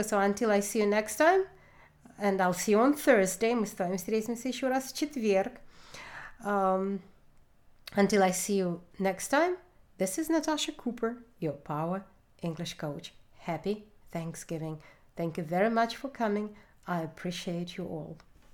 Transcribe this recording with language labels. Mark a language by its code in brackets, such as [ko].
[en] So until I see you next time, and I'll see you on Thursday. [ru] Мы с вами встретимся еще раз в четверг. [en] Until I see you next time, this is Natasha Cooper, your Power English Coach. Happy Thanksgiving. Thank you very much for coming. I appreciate you all.